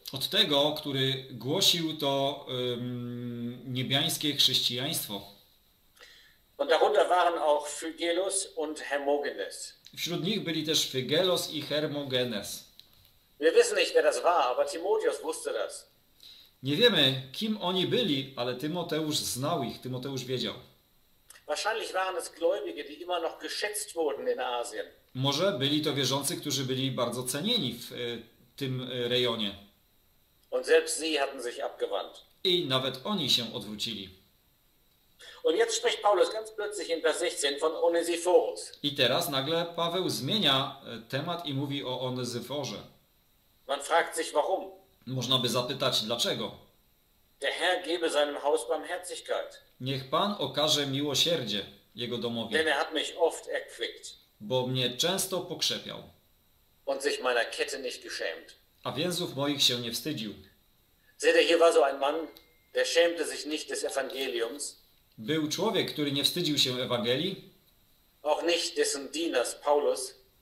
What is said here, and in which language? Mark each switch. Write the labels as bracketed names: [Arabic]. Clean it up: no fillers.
[Polish] Od tego, który głosił to niebiańskie chrześcijaństwo. [German] Und darunter waren auch Phygelus und Hermogenes. [Polish] Wśród nich byli też Phygelos i Hermogenes. [German] Wir wissen nicht, wer das war, aber Timotheus wusste das. [Polish] Nie wiemy, kim oni byli, ale Tymoteusz znał ich, Tymoteusz wiedział. [German] Wahrscheinlich waren es Gläubige, die immer noch geschätzt wurden in Asien. [Polish] Może byli to wierzący, którzy byli bardzo cenieni w tym rejonie. [German] Und selbst sie hatten sich abgewandt. [Polish] I nawet oni się odwrócili. [German] Und jetzt spricht Paulus ganz plötzlich in Vers 16 von Onesiphorus. [Polish] I teraz nagle Paweł zmienia temat i mówi o Onesiforze. [German] Man fragt sich warum. [Polish] Można by zapytać dlaczego. [German] Der Herr gebe seinem Haus Barmherzigkeit. [Polish] Niech Pan okaże miłosierdzie jego domowi. [German] Denn er hat mich oft erquickt. [Polish] Bo mnie często pokrzepiał. [German] Und sich meiner Kette nicht geschämt. [Polish] A więzów moich się nie wstydził. [German] Seht ihr, hier war so ein Mann, der schämte sich nicht des Evangeliums. [Polish] Był człowiek, który nie wstydził się Ewangelii. [German] Auch nicht dessen Dieners Paulus.